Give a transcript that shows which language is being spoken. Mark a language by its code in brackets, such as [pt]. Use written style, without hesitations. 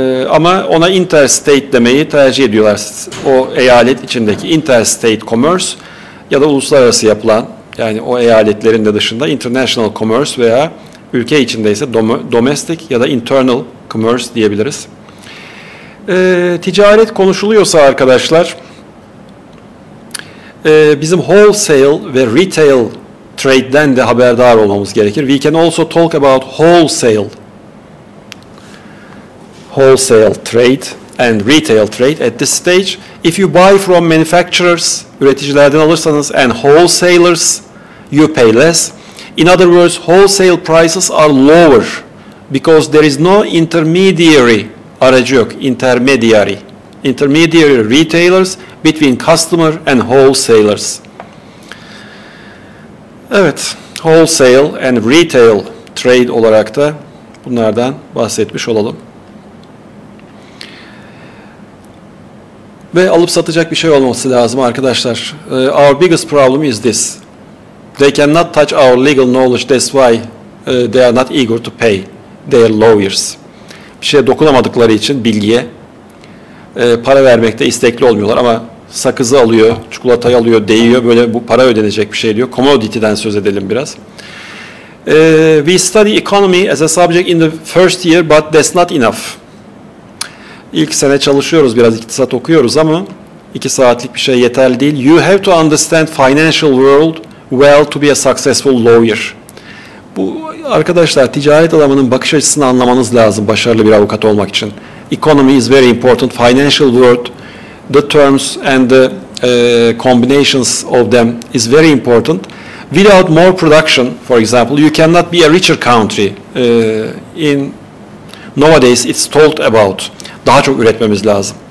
[tr] Ama ona interstate demeyi tercih ediyorlar. O eyalet içindeki interstate commerce ya da uluslararası yapılan, yani o eyaletlerin de dışında international commerce veya ülke içindeyse domestic ya da internal commerce diyebiliriz. Ticaret konuşuluyorsa arkadaşlar, bizim wholesale ve retail trade'den de haberdar olmamız gerekir. [en] We can also talk about wholesale, wholesale trade and retail trade at this stage. If you buy from manufacturers, [tr] üreticilerden alırsanız, [en] and wholesalers, you pay less. In other words, wholesale prices are lower because there is no intermediary. [tr] Aracı yok, [en] intermediary. Intermediary retailers between customer and wholesalers. [tr] Evet, wholesale and retail trade olarak da bunlardan bahsetmiş olalım. Ve alıp satacak bir şey olması lazım arkadaşlar. [en] Our biggest problem is this. They cannot touch our legal knowledge, that's why they are not eager to pay their lawyers. [tr] Bir şeye dokunamadıkları için bilgiye para vermekte istekli olmuyorlar ama sakızı alıyor, çikolatayı alıyor, değiyor, böyle bu para ödenecek bir şey diyor. Commodity'den söz edelim biraz. [en] We study economy as a subject in the first year but that's not enough. [tr] İlk sene çalışıyoruz biraz, iktisat okuyoruz ama iki saatlik bir şey yeterli değil. [en] You have to understand financial world well to be a successful lawyer. [tr] Bu arkadaşlar, ticaret adamının bakış açısını anlamanız lazım başarılı bir avukat olmak için. [en] Economy is very important. Financial world, the terms and the combinations of them is very important. Without more production, for example, you cannot be a richer country. In nowadays it's talked about. [tr] Daha çok üretmemiz lazım.